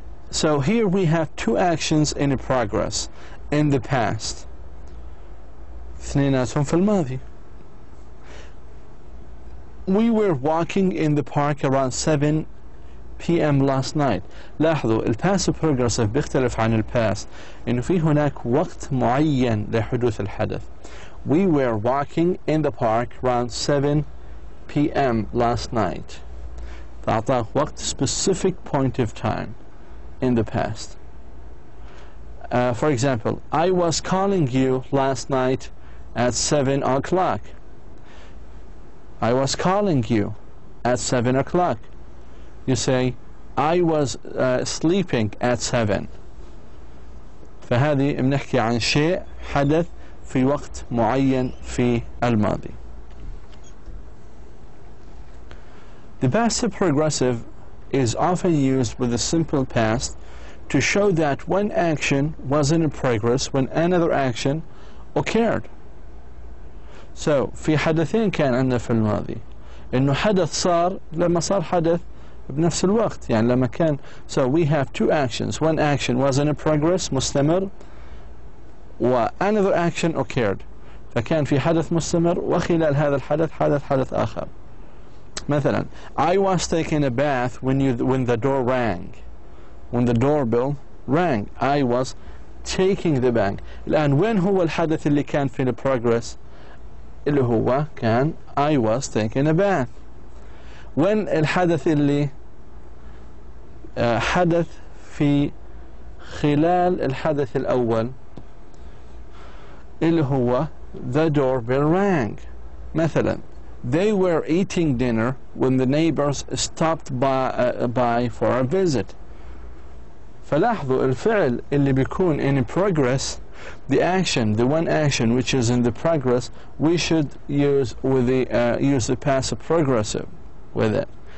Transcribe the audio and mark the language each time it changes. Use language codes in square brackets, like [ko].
[en] So here we have two actions in progress in the past. [ar] اثنيناتهم في الماضي. [en] We were walking in the park around 7 p.m. last night. [ar] لاحظوا الباست بروجريسيف بيختلف عن الباست انه في هناك وقت معين لحدوث الحدث. [en] We were walking in the park around 7 p.m. last night. [ar] فأعطى وقت [en] specific point of time in the past. For example, I was calling you last night at 7 o'clock. I was calling you at 7 o'clock. You say, I was sleeping at 7. [ar] فهذه بنحكي عن شيء حدث في وقت معين في الماضي. [en] The passive progressive is often used with a simple past to show that one action was in progress when another action occurred. So, [ar] في حدثين كان عندنا في الماضي. إنه حدث صار لما صار حدث بنفس الوقت. يعني لما كان. [en] So, we have two actions. One action was in progress, [ar] مستمر. [en] Another action occurred. [ar] فكان في حدث مستمر وخلال هذا الحدث حدث آخر. مثلا, [en] I was taking a bath when the door rang. When the doorbell rang, I was taking the bank. [ar] الآن وين هو الحدث اللي كان في the progress؟ اللي هو كان [en] I was taking a bath. [ar] وين الحدث اللي حدث في خلال الحدث الأول؟ اللي هو [en] the doorbell rang. [ar] مثلا, [en] they were eating dinner when the neighbors stopped by for a visit. [ar] فلاحظوا الفعل اللي بيكون [en] in progress, the action, the one action which is in the progress, we should use with the use the passive progressive with it.